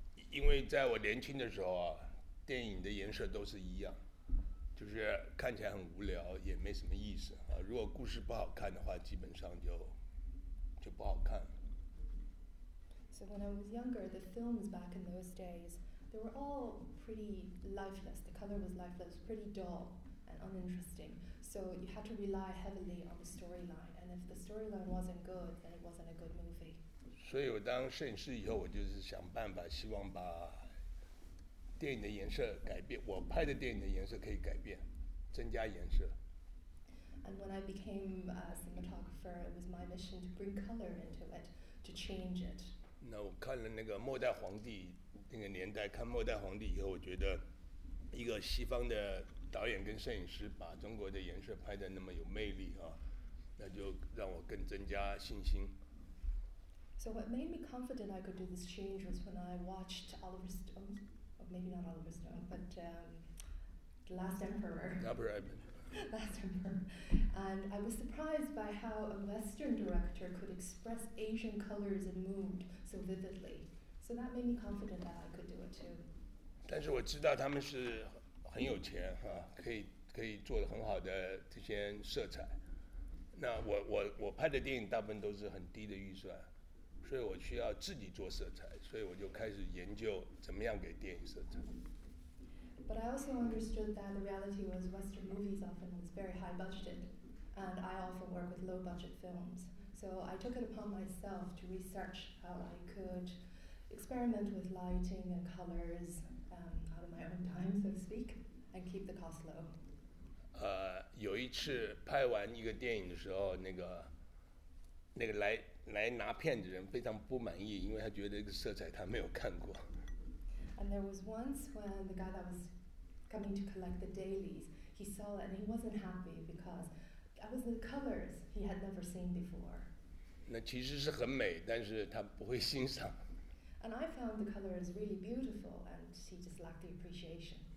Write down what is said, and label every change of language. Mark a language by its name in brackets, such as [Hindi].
[Chinese] 因为在我年轻的时候啊，电影的颜色都是一样，就是看起来很无聊，也没什么意思啊。如果故事不好看的话，基本上就不好看。 [English] So when I was younger, the films back in those days, they were all pretty lifeless. The color was lifeless, pretty dull and uninteresting. So you had to rely heavily on the storyline. And if the storyline wasn't good, then it wasn't a good movie. [Chinese] 所以我当摄影师以后，我就是想办法，希望把电影的颜色改变，我拍的电影的颜色可以改变，增加颜色。 [English] And when I became a cinematographer, it was my mission to bring color into it, to change it. [Chinese] 那我看了那个末代皇帝那个年代，看末代皇帝以后，我觉得一个西方的导演跟摄影师把中国的颜色拍得那么有魅力啊，那就让我更增加信心。 [English] So what made me confident I could do this change was when I watched Oliver Stone, or maybe not Oliver Stone, but The Last Emperor. Last Emperor. And I was surprised by how a Western director could express Asian colors and mood so vividly. So that made me confident that I could do it too. [Chinese] 但是我知道他们是很有钱啊，可以做得很好的这些色彩。那我拍的电影大部分都是很低的预算。所以我需要自己做色彩，所以我就开始研究怎么样给电影色彩。 [English] But I also understood that the reality was Western movies often was very high budgeted, and I often work with low budget films. So I took it upon myself to research how I could experiment with lighting and colors out of my own time, so to speak, and keep the cost low. [Chinese] 有一次拍完一个电影的时候，那个来拿片子的人非常不满意，因为他觉得这个色彩他没有看过。 [English] And there was once when the guy that was coming to collect the dailies, he saw it and he wasn't happy because that was the colors he had never seen before. [Chinese] 那其实是很美，但是他不会欣赏。 [English] And I found the colors really beautiful, and he just lacked the appreciation.